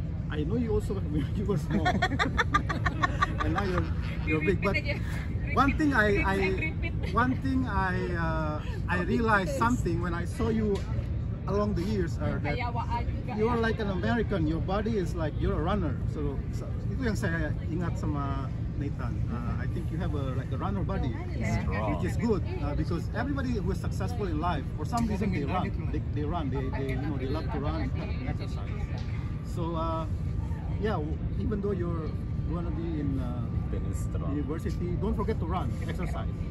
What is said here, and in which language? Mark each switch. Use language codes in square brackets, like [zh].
[en] I know you also, you were small. And now you're big, but one thing I realized something when I saw you along the years are that you are like an American. Your body is like, you're a runner. [id] So itu yang saya ingat sama Nathan. [en] I think you have a runner body, which is good because everybody who is successful in life, for some reason they run. They run. They you know, they love to run, exercise. So even though you're gonna be in university, don't forget to run, exercise.